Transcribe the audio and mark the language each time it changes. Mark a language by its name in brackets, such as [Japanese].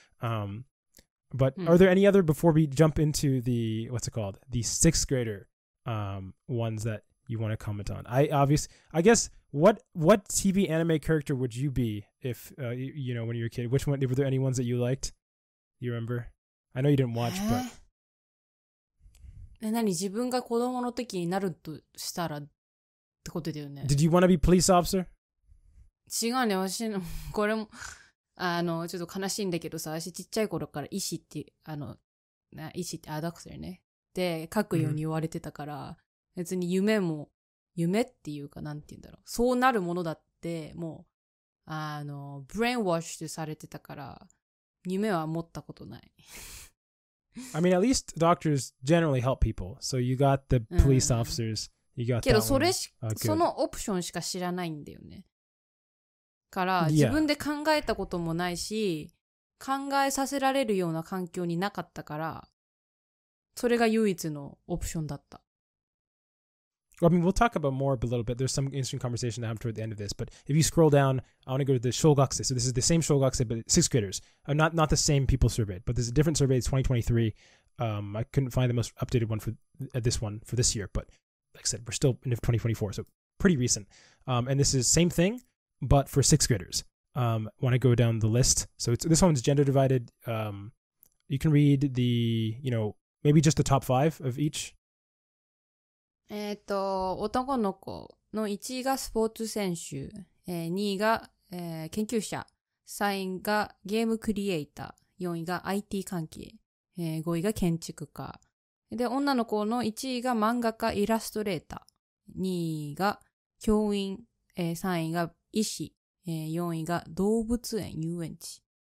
[English] But are there any other, before we jump into the, what's it called? The sixth grader ones that you want to comment on? I guess, what TV anime character would you be if, you know, when you were a kid? Which one, were there any ones that you liked? You remember? I know you didn't watch, but... [Japanese] 自分が子供の時になるとしたらってことだよね。 [English] Did you want to be police officer? [Japanese] 違うね、私の、これも、ちょっと悲しいんだけどさ、私ちっちゃい頃から医師って、医師ってアダクセルね。で書くように言われてたから、うん、別に夢も夢っていうかなんて言うんだろうそうなるものだってもうブレインウォッシュされてたから夢は持ったことない。 [English] I mean at least doctors generally help people so you got the police officers、うん、you got [Japanese] けどそれし、そのオプションしか知らないんだよねから、yeah. 自分で考えたこともないし考えさせられるような環境になかったからそれが唯一のオプションだった。 [English] Well, I mean, we'll talk about more a little bit. There's some interesting conversation to have toward the end of this. But if you scroll down, I want to go to the 小学生. So this is the same 小学生, but sixth graders. Not the same people surveyed, but there's a different survey. It's 2023. I couldn't find the most updated one for this one for this year. But like I said, we're still in 2024, so pretty recent. And this is same thing, but for sixth graders. Want to go down the list? So this one's gender divided. You can read the, you know,Maybe just the top five of each? [Japanese] 男の子の1位がスポーツ選手、2位が、研究者、3位がゲームクリエイター、4位が IT 関係、5位が建築家。で、女の子の1位が漫画家、イラストレーター、2位が教員、3位が医師、4位が動物園、遊園地。